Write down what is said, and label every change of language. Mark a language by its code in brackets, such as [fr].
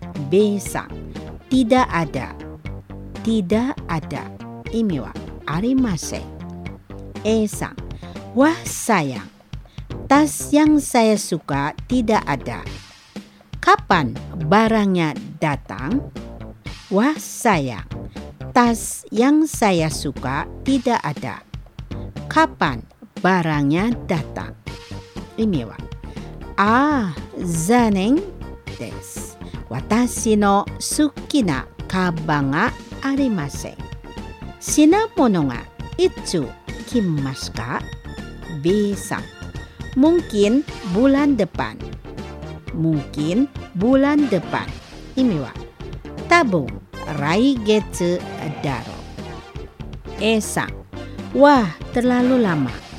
[id] B さん、tidak ada. Tidak ada. [ja] 意味はありません。 [id] A さん、wah sayang. Tas yang saya suka tidak ada. Kapan barangnya datang? Wah sayang. Tas yang saya suka tidak ada. Kapan barangnya datang? [ja] 意味は残念です。私の好きなカバンがありません。品物がいつ来ますか？ [id] B さん、 mungkin bulan depan。 mungkin bulan depan [ja] 意味は多分来月だろう。 [id] A さん、 wah terlalu lama。